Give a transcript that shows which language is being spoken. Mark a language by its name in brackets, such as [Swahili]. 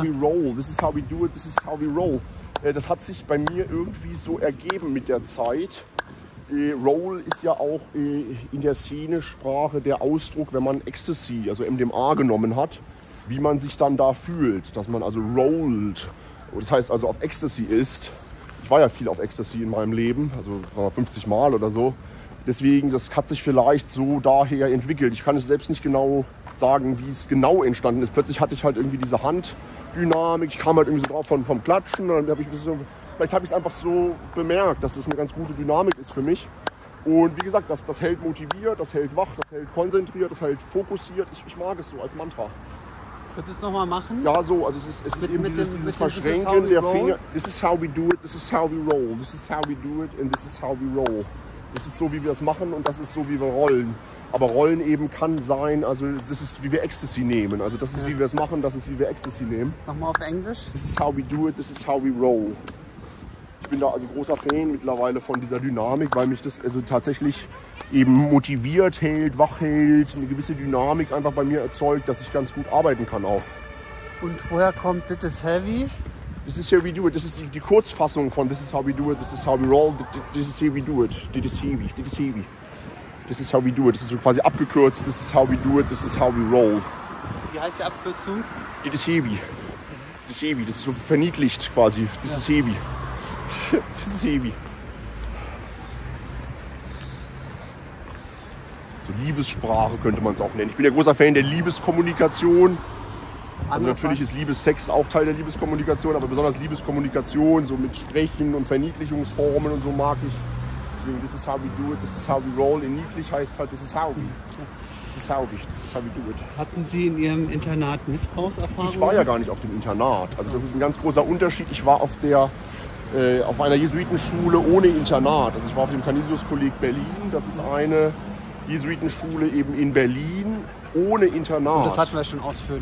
[English] how we roll, this is how we do it, this is how we roll. [German] Das hat sich bei mir irgendwie so ergeben mit der Zeit. Roll ist ja auch in der Szene-Sprache der Ausdruck, wenn man Ecstasy, also MDMA genommen hat, wie man sich dann da fühlt, dass man also rollt. Das heißt also auf Ecstasy ist. Ich war ja viel auf Ecstasy in meinem Leben, also 50 Mal oder so. Deswegen, das hat sich vielleicht so daher entwickelt. Ich kann es selbst nicht genau sagen, wie es genau entstanden ist. Plötzlich hatte ich halt irgendwie diese Handdynamik. Ich kam halt irgendwie so drauf vom Klatschen. Und dann habe ich ein bisschen, vielleicht habe ich es einfach so bemerkt, dass das eine ganz gute Dynamik ist für mich. Und wie gesagt, das hält motiviert, das hält wach, das hält konzentriert, das hält fokussiert. Ich mag es so als Mantra. Könntest du es nochmal machen? Ja, so. Also es ist dieses Verschränken der Finger. [English] This is how we do it, this is how we roll. This is how we do it and this is how we roll. [German] Das ist so, wie wir es machen und das ist so, wie wir rollen. Aber rollen eben kann sein, also das ist, wie wir Ecstasy nehmen. Also das ist, wie wir es machen, das ist, wie wir Ecstasy nehmen. Nochmal auf Englisch. [English] This is how we do it, this is how we roll. [German] Ich bin da also großer Fan mittlerweile von dieser Dynamik, weil mich das also tatsächlich eben motiviert hält, wach hält, eine gewisse Dynamik einfach bei mir erzeugt, dass ich ganz gut arbeiten kann auch. Und woher kommt [English] This is Heavy? This is how we do it. [German] Das ist die Kurzfassung von [English] This is how we do it, this is how we roll, this is how we do it, this is heavy, this is heavy. This is how we do it. [German] Das ist so quasi abgekürzt, [English] this is how we do it, this is how we roll. [German] Wie heißt die Abkürzung? [English] This is heavy. This is heavy. [German] Das ist so verniedlicht quasi. [English] This is heavy. This is heavy. [German] So Liebessprache könnte man es auch nennen. Ich bin ja großer Fan der Liebeskommunikation. Also natürlich ist Liebessex auch Teil der Liebeskommunikation, aber besonders Liebeskommunikation, so mit Sprechen und Verniedlichungsformen und so mag ich. [English] This is how we do it, this is how we roll. [German] In niedlich heißt halt, [English] this is how we. This is how we, this is how we do it. [German] Hatten Sie in Ihrem Internat Missbrauchserfahrungen? Ich war ja gar nicht auf dem Internat. Also das ist ein ganz großer Unterschied. Ich war auf einer Jesuitenschule ohne Internat. Also ich war auf dem Canisius-Kolleg Berlin. Das ist eine Jesuitenschule eben in Berlin. Ohne Internat. Und das hatten wir schon ausführlich.